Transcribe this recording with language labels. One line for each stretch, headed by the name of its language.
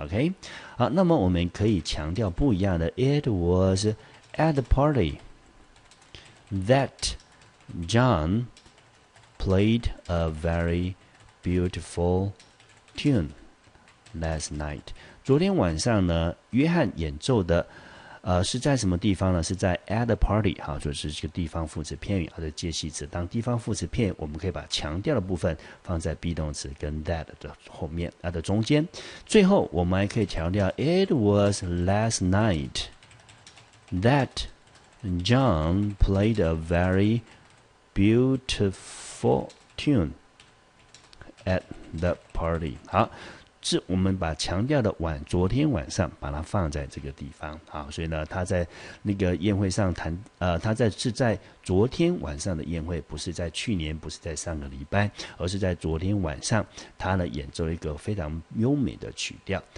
English: OK，
Chinese: 好，那么我们可以强调不一样的
English: ，It was at the party that John played a very beautiful tune last night.
Chinese: 昨天晚上呢，约翰演奏的是在什么地方呢？是在
English: at a party，
Chinese: 好，就是这个地方副词片语，或者介系词。当地方副词片，我们可以把强调的部分放在 be 动词跟 that 的后面，它的中间。最后，我们还可以强调
English: it was last night that John played a very beautiful tune at the party。
Chinese: 好，是我们把强调的昨天晚上把它放在这个地方。好，所以呢他在那个宴会上谈他是在昨天晚上的宴会，不是在去年，不是在上个礼拜，而是在昨天晚上，他呢演奏一个非常优美的曲调。